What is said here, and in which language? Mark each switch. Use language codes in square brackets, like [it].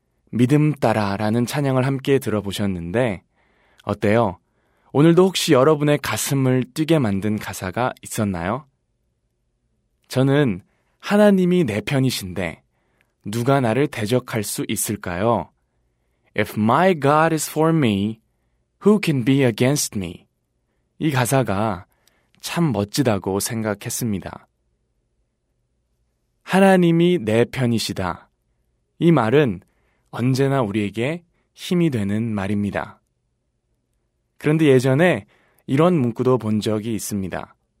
[ko] 믿음 따라 라는 찬양을 함께 들어보셨는데 어때요? 오늘도 혹시 여러분의 가슴을 뛰게 만든 가사가 있었나요? 저는 하나님이 내 편이신데 누가 나를 대적할 수 있을까요? [en] If my God is for me, who can be against me? [ko] 이 가사가 참 멋지다고 생각했습니다. 하나님이 내 편이시다. 이 말은 언제나 우리에게 힘이 되는 말입니다. 그런데 예전에 이런 문구도 본 적이 있습니다.